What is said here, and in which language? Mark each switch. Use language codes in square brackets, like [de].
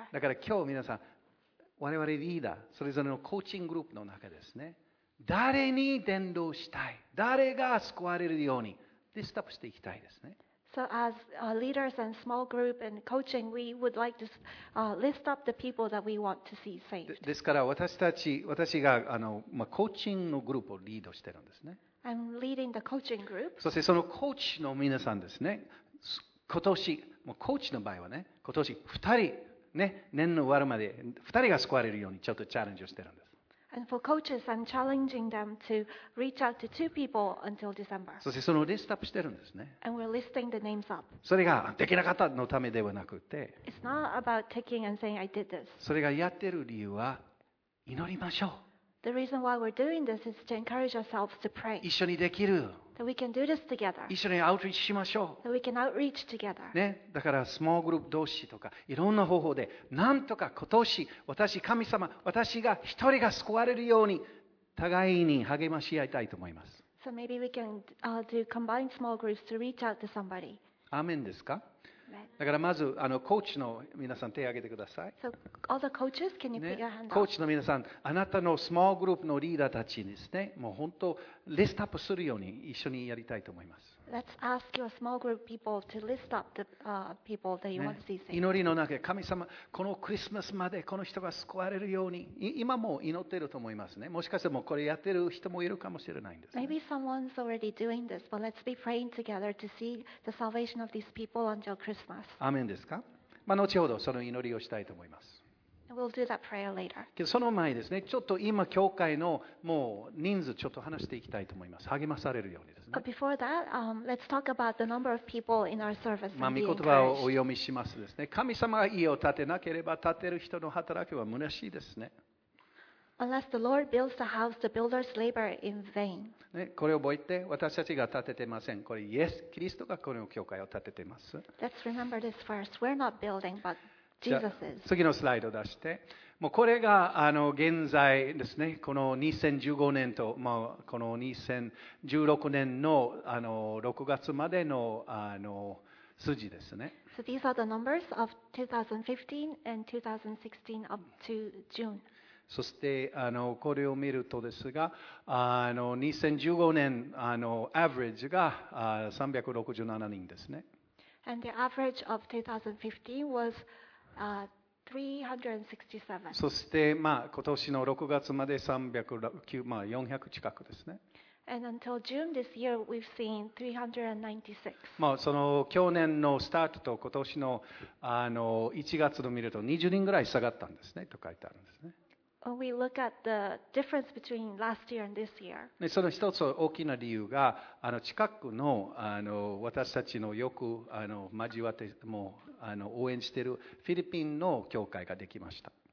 [ja] だから今日皆さん、我々リーダー、それぞれのコーチンググループの中ですね。誰に伝道したい、誰が救われるように、でステップしていきたいですね。 [en] So as leaders and small group and coaching, we would like to list up the people that we want to see saved. [ja] ですから私が、コーチングのグループをリードしてるんですね。 [en] I'm leading the coaching group. [ja] そしてそのコーチの皆さんですね、今年もうコーチの場合はね、今年2人、ね、年の終わるまで2人が救われるようにちょっとチャレンジをしてるんです。 [en] And for coaches, I'm challenging them to reach out to two people until December. [ja] そしてそのリストアップしてるんですね。 [en] And we're listing the names up. [ja] それができなかったのためではなくて、 [en] It's not about taking and saying I did this. [ja] それがやってる理由は祈りましょう。 [en] The reason why we're doing this is to encourage ourselves to pray. [ja] 一緒にできる。 [en] That we can do this together. [ja] 一緒にアウトリーチしましょう。 [en] That we can outreach together. [ja] ね、だからスモーグループ同士とかいろんな方法でなんとか今年私神様私が一人が救われるように互いに励まし合いたいと思います。 [en] So maybe we can do combined small groups to reach out to somebody. [ja] アーメンですか？だからまずコーチの皆さん手を挙げてください。 [en] So all the coaches, can you put your hand up? [ja] コーチの皆さん、あなたのスモーグループのリーダーたちにですね、もう本当リストアップするように一緒にやりたいと思います。 [en] Let's ask your small group people to list up the people that you want to see saved. [ja] 祈りの中で神様、このクリスマスまでこの人が救われるように今も祈ってると思いますね。もしかしてもこれやってる人もいるかもしれないんです、ね。 [en] Maybe someone's already doing this, but let's be praying together to see the salvation of these people until Christmas. [ja] アーメンですか？まあ、後ほどその祈りをしたいと思います。 [en] We'll do that prayer later. [ja] その前ですね、ちょっと今教会のもう人数ちょっと話していきたいと思います。励まされるようにですね。 [en] But before that, let's talk about the number of people in our service. [ja] まあ、御言葉をお読みしますですね。神様が家を建てなければ建てる人の働きは虚しいですね。 [en] Unless the Lord builds the house, the builder's labor in vain. [ja] ね、これを覚えて、私たちが建ててません。これイエス・キリストがこの教会を建ててます。 [en] Let's remember this first. We're not building, but [ja] じゃあ次のスライドを出して、もうこれが現在ですね、この2015年と、まあ、この2016年の6月まで の数字ですね。 [en] So these are the numbers of 2015 and 2016 up to June. [ja] そしてこれを見るとですが、2015年アベレージが367人ですね。 [en] And the average of 2015 was367. [ja] そしてまあ今年の6月まで309、まあ、400近くですね。 [en] And until June this year, we've seen 396. [ja] まあその去年のスタートと今年の1月を見ると20人ぐらい下がったんですねと書いてあるんですね。 [en] When we look at the difference between last year and this year. [ja] その一つ大きな理由が近くの私たちのよく交わってもう応援しているフィリピンの教会ができました。